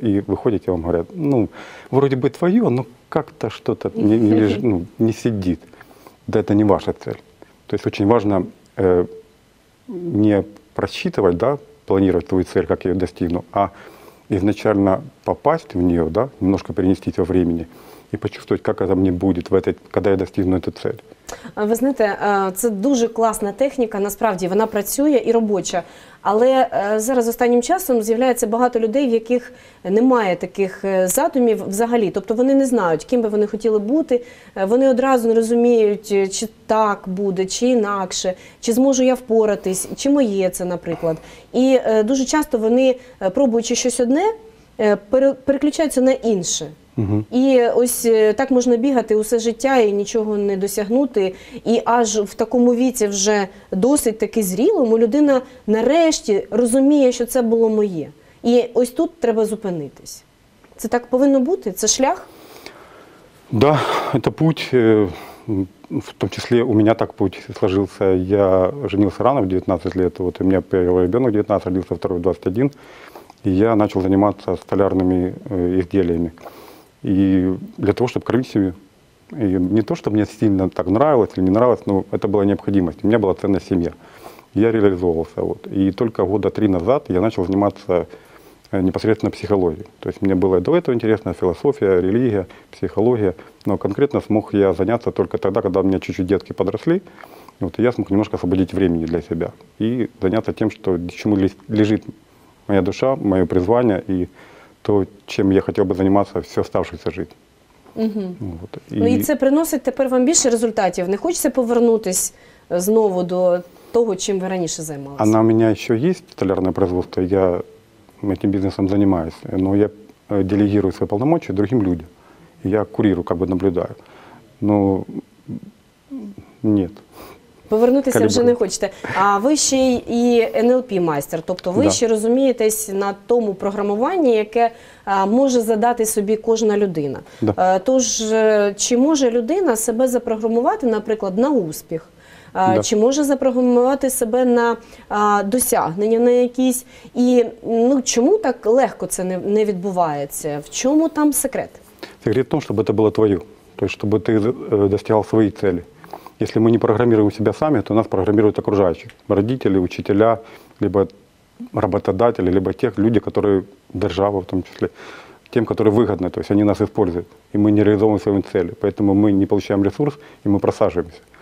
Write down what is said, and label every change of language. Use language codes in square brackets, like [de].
[ru] И выходите, вам говорят, ну, вроде бы твое, но как-то что-то не сидит. Да это не ваша цель. То есть очень важно не просчитывать, да, планировать свою цель, как я ее достигну, а изначально попасть в нее, да, немножко перенестись во времени [uk] і почувствовати, як це мені буде, коли я достигну цю ціль. Ви знаєте, це дуже класна техніка, насправді вона працює і робоча. Але зараз останнім часом з'являється багато людей, в яких немає таких задумів взагалі. Тобто вони не знають, ким би вони хотіли бути. Вони одразу не розуміють, чи так буде, чи інакше, чи зможу я впоратись, чи моє це, наприклад. І дуже часто вони, пробуючи щось одне, переключаються на інше. І ось так можна бігати усе життя і нічого не досягнути. І аж в такому віці вже досить таки зрілому людина нарешті розуміє, що це було моє. І ось тут треба зупинитись. Це так повинно бути? Це шлях? Да, це путь. В тому числі у мене так путь сложився. Я женився рано, [ru] в 19 лет. [uk] От у мене перший дитина 19, родився второй 21. І я почав займатися столярними ізделіями. [ru] И для того, чтобы кормить семью. И не то, что мне сильно так нравилось или не нравилось, но это была необходимость. У меня была ценная семья. Я реализовывался. Вот. И только года три назад я начал заниматься непосредственно психологией. То есть мне было до этого интересно, философия, религия, психология. Но конкретно смог я заняться только тогда, когда у меня чуть-чуть детки подросли. Вот, и я смог немножко освободить времени для себя. И заняться тем, что, чему лежит моя душа, мое призвание и то, [uk] чим я хотів би займатися [ru] всю оставшуюся життя. Угу. Вот. [uk] Ну і це приносить тепер вам більше результатів? Не хочеться повернутися знову до того, чим ви раніше займалися? А у мене ще є столярне производство, я цим бізнесом займаюся, але [ru] я делегирую [uk] свої повноваження другим людям. [ru] Я курирую, как бы наблюдаю. [uk] Ну, ні. Повернутися калібру вже не хочете. А ви ще й НЛП-майстер, тобто ви ще розумієтесь на тому програмуванні, яке може задати собі кожна людина. Да. Тож, чи може людина себе запрограмувати, наприклад, на успіх? Да. Чи може запрограмувати себе на досягнення на якісь? І ну, чому так легко це не відбувається? В чому там секрет? Секрет в тому, щоб це було твоє, тобто, щоб ти досягав свої цілі. [ru] Если мы не программируем себя сами, то нас программируют окружающие. Родители, учителя, либо работодатели, либо тех люди, которые, держава в том числе, тем, которые выгодны, то есть они нас используют. И мы не реализовываем свои цели. Поэтому мы не получаем ресурс, и мы просаживаемся.